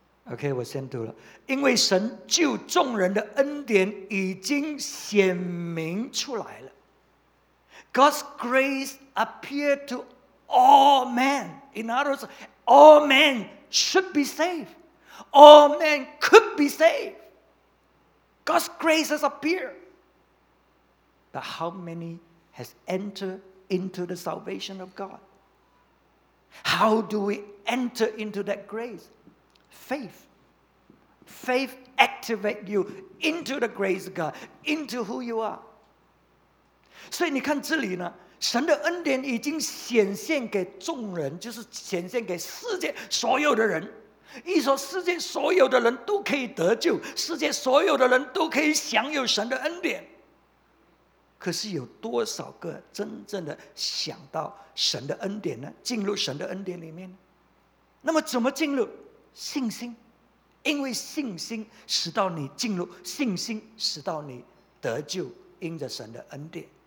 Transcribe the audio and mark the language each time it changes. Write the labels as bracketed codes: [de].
[zh] Okay, 我先读了。因为神救众人的恩典已经显明出来了。 [en] God's grace appeared to all men. In other words, all men should be saved. All men could be saved. God's grace has appeared. But how many has entered into the salvation of God? How do we enter into that grace? Faith. Faith activates you into the grace of God, into who you are. [zh] 所以你看这里呢, 神的恩典已经显现给众人，就是显现给世界所有的人。意思说，世界所有的人都可以得救，世界所有的人都可以享有神的恩典。可是有多少个真正的想到神的恩典呢？进入神的恩典里面？那么怎么进入？信心，因为信心使到你进入，信心使到你得救，因着神的恩典。